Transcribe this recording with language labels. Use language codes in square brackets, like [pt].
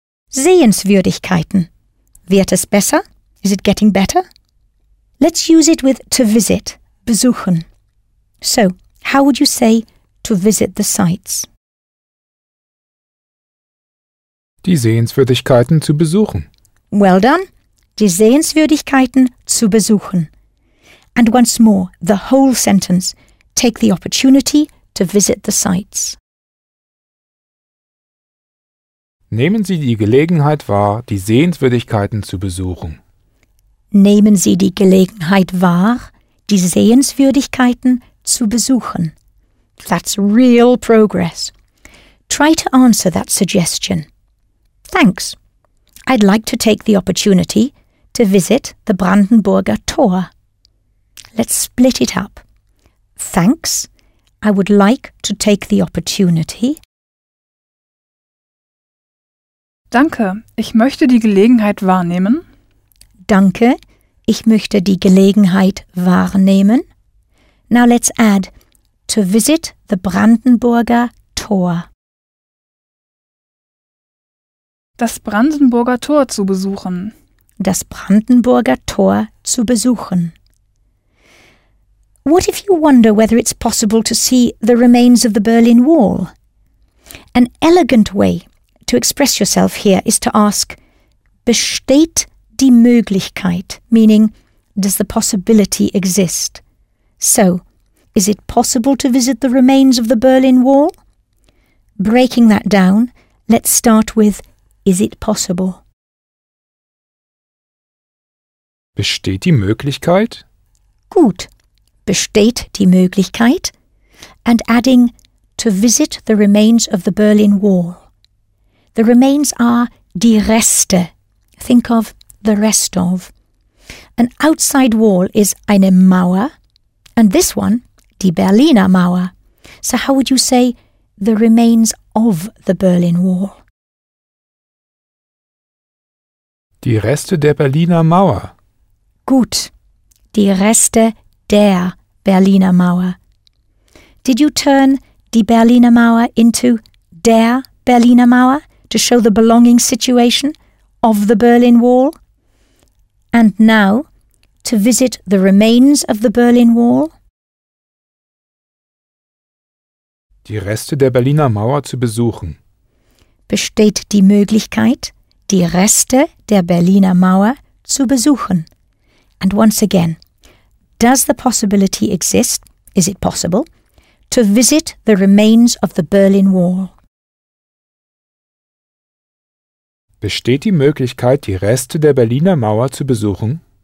[de] Sehenswürdigkeiten. Wird es besser? [en] Is it getting better? Let's use it with to visit, besuchen. So, how would you say to visit the sights? [de] Die Sehenswürdigkeiten zu besuchen. [en] Well done. [de] Die Sehenswürdigkeiten zu besuchen. [en] And once more, the whole sentence. Take the opportunity to visit the sights. [de] Nehmen Sie die Gelegenheit wahr, die Sehenswürdigkeiten zu besuchen. Nehmen Sie die Gelegenheit wahr, die Sehenswürdigkeiten zu besuchen. [en] That's real progress. Try to answer that suggestion. Thanks. I'd like to take the opportunity to visit the Brandenburger Tor. Let's split it up. Thanks. I would like to take the opportunity. [de] Danke. Ich möchte die Gelegenheit wahrnehmen. Danke. Ich möchte die Gelegenheit wahrnehmen. [en] Now let's add, to visit the Brandenburger Tor. [de] Das Brandenburger Tor zu besuchen. Das Brandenburger Tor zu besuchen. [en] What if you wonder whether it's possible to see the remains of the Berlin Wall? An elegant way to express yourself here is to ask, [de] besteht die Möglichkeit, [en] meaning, does the possibility exist? So, is it possible to visit the remains of the Berlin Wall? Breaking that down, let's start with, is it possible? [de] Besteht die Möglichkeit? Gut, besteht die Möglichkeit? [en] And adding, to visit the remains of the Berlin Wall. The remains are die Reste. Think of the rest of. An outside wall is eine Mauer, and this one, die Berliner Mauer. So how would you say the remains of the Berlin Wall? [de] Die Reste der Berliner Mauer. Gut. Die Reste der Berliner Mauer. [en] Did you turn die Berliner Mauer into der Berliner Mauer to show the belonging situation of the Berlin Wall? And now, to visit the remains of the Berlin Wall? [de] Die Reste der Berliner Mauer zu besuchen. Besteht die Möglichkeit, die Reste der Berliner Mauer zu besuchen? [en] And once again, does the possibility exist? Is it possible? To visit the remains of the Berlin Wall. [de] Besteht die Möglichkeit, die Reste der Berliner Mauer zu besuchen?